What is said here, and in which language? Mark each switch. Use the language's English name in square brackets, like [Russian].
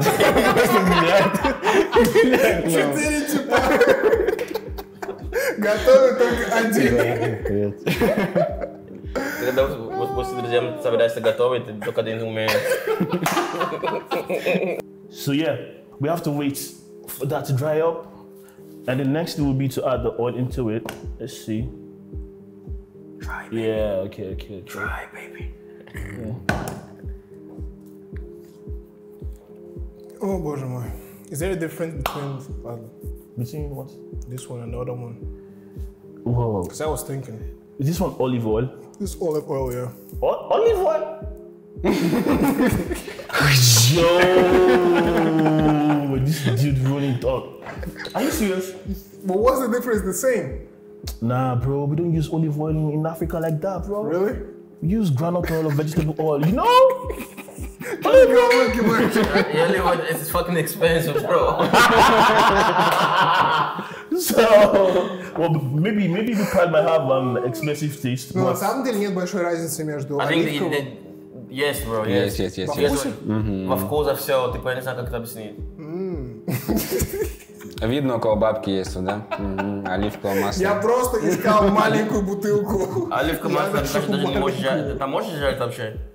[Russian] Четыре типа. Готовы только один. Привет. Когда вот после друзьям собираешься готовый, ты только один умеешь. [English] So yeah. We have to wait for that to dry up, and the next thing will be to add the oil into it. Let's see. Dry, baby. Yeah. Okay. Dry, baby. Yeah. Oh, [Russian] боже мой! [English] Is there a difference between what? This one and the other one? Whoa! Because I was thinking. Is this one olive oil? This olive oil, yeah. What? Olive oil? Yo! This dude running talk. Are you serious? But what's the difference? The same? Nah, bro. We don't use olive oil in Africa like that, bro. Really? We use granite oil or vegetable oil. You know? Olive oil. Olive oil is fucking expensive, bro. So, well, maybe the pad might have an expensive taste. No, [Russian] на самом деле нет большой разницы между. [English] Yes, bro, yes. Yes. [Russian] Во вкусе все, типа я не знаю, как это объяснить. Видно, у кого бабки есть, да? Оливковое масло. Я просто искал маленькую бутылку. Оливковое масло, ты даже не можешь жарить. Там можешь жарить вообще?